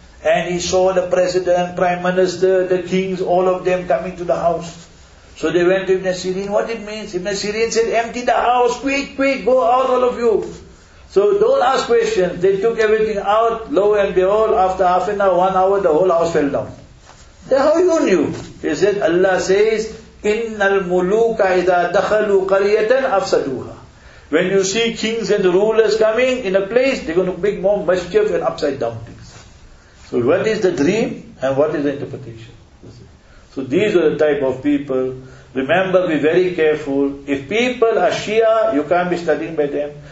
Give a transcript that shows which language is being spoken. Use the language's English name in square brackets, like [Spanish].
[English] And he saw the president, prime minister, the kings, all of them coming to the house. So they went to Ibn Sirin. What it means? Ibn Sirin said, empty the house, quick, quick, go out all of you. So don't ask questions. They took everything out, lo and behold, after half an hour, 1 hour, the whole house fell down. Then how you knew? He said, Allah says, [Arabic] إِنَّ الْمُلُوكَ إِذَا دَخَلُوا قَرِيَةً أَفْسَدُوهَا. [English] When you see kings and rulers coming in a place, they're going to make more mischief and upside down things. So what is the dream and what is the interpretation? So these are the type of people. Remember, be very careful. If people are Shia, you can't be studying by them.